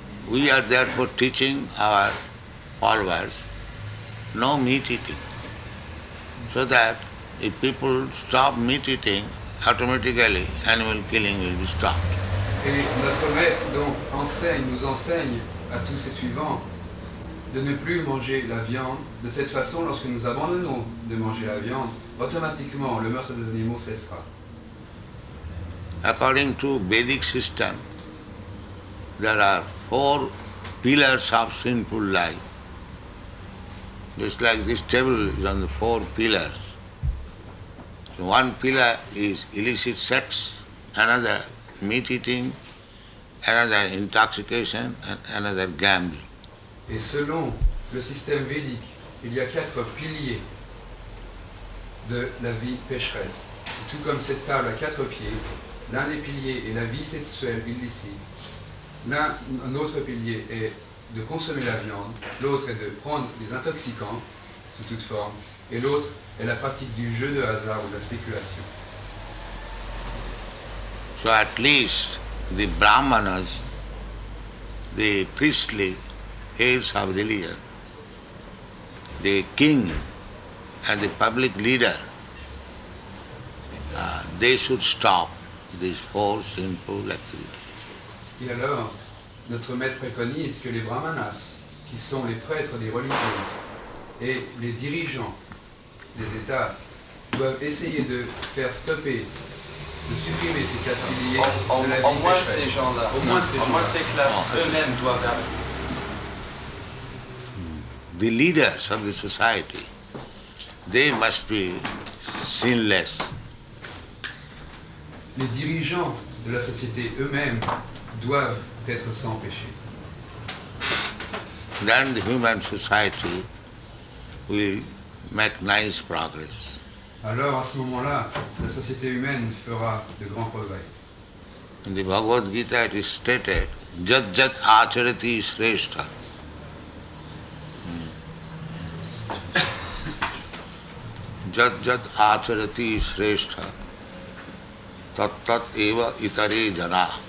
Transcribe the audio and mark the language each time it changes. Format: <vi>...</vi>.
<en>We are therefore teaching our followers no meat eating. So that if people stop meat eating, automatically animal killing will be stopped.</en> <fr>Et notre maître donc nous enseigne à tous ses suivants de ne plus manger la viande. De cette façon, lorsque nous abandonnons de manger la viande, automatiquement le meurtre des animaux cessera.</fr> <en>According to Vedic system, there are four pillars of sinful life. Just like this table is on the four pillars. So one pillar is illicit sex, another meat eating, another intoxication, and another gambling.</en> <fr>Et selon le système védique, il y a quatre piliers de la vie pécheresse. C'est tout comme cette table à quatre pieds. L'un des piliers est la vie sexuelle illicite. Un autre pilier est de consommer la viande. L'autre est de prendre des intoxicants sous toute forme. Et l'autre est la pratique du jeu de hasard ou de la spéculation.</fr> <en>So at least the brahmanas, the priestly heads of religion, the king and the public leader, they should stop these four sinful activities.</en> <fr>Et alors, notre maître préconise que les brahmanas, qui sont les prêtres des religions et les dirigeants des états, doivent essayer de faire stopper, de supprimer ces quatre piliers. Au moins ces classes eux-mêmes doivent arriver.</fr> <en>The leaders of the society, they must be sinless.</en> <fr>Les dirigeants de la société eux-mêmes doivent être sans péché.</fr> <en>Then the human society will make nice progress.</en> <fr>Alors à ce moment-là, la société humaine fera de grands progrès.</fr> <en>In the Bhagavad Gita it is stated,</en> <sa>jat jat acharati shrestha. Jat jat acharati shrestha. Tat tat eva itare jana.</sa>